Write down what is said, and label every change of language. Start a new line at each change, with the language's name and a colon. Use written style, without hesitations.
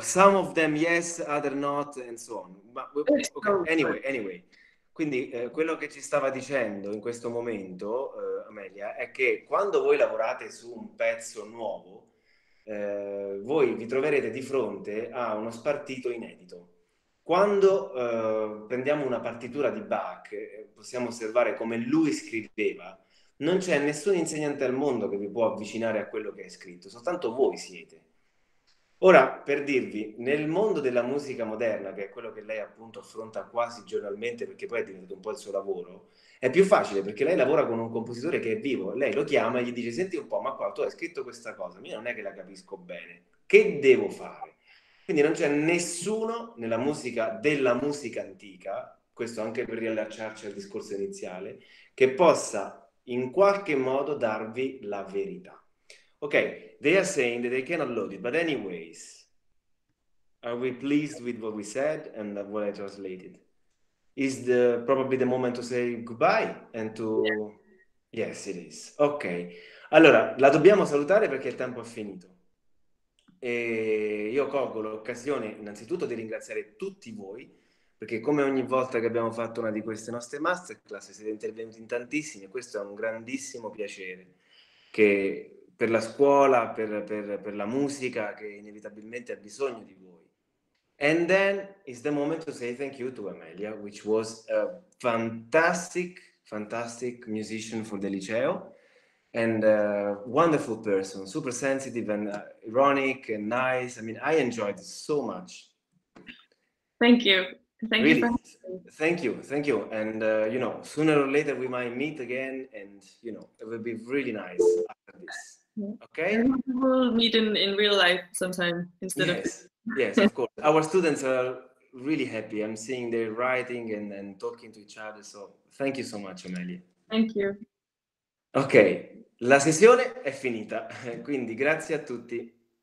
English: Some of them yes, other not, and so on.
Italian: Ma, ok,
English: anyway.
Italian: Quindi, quello che ci stava dicendo in questo momento, Amelia, è che quando voi lavorate su un pezzo nuovo, voi vi troverete di fronte a uno spartito inedito. Quando prendiamo una partitura di Bach, possiamo osservare come lui scriveva, non c'è nessun insegnante al mondo che vi può avvicinare a quello che è scritto, soltanto voi siete. Ora, per dirvi, nel mondo della musica moderna, che è quello che lei appunto affronta quasi giornalmente, perché poi è diventato un po' il suo lavoro, è più facile perché lei lavora con un compositore che è vivo. Lei lo chiama e gli dice: senti un po', ma qua tu hai scritto questa cosa, io non è che la capisco bene, che devo fare? Quindi non c'è nessuno nella musica della musica antica, questo anche per riallacciarci al discorso iniziale, che possa in qualche modo darvi la verità.
English: Ok, they are saying that they cannot load it, but anyways, are we pleased with what we said and what I translated? Is the probably the moment to say goodbye and to... Yes, it is.
Italian: Ok, allora, la dobbiamo salutare perché il tempo è finito. E io colgo l'occasione innanzitutto di ringraziare tutti voi, perché come ogni volta che abbiamo fatto una di queste nostre masterclass siete intervenuti in tantissimi e questo è un grandissimo piacere che... Per la scuola, per la musica che inevitabilmente ha bisogno di voi.
English: And then it's the moment to say thank you to Amelia, which was a fantastic musician for the liceo and a wonderful person, super sensitive and ironic and nice. I mean, I enjoyed it so much. Thank you. Thank really, you. Thank you, thank you. And you know, sooner or later we might meet again, and you know, it would be really nice after this. Okay. We'll meet in real life sometime instead yes. of. Yes. Yes, of course. Our students are really happy. I'm seeing their writing and talking to each other. So thank you so much, Amelia. Thank you.
Italian: Okay, la sessione è finita. Quindi grazie a tutti.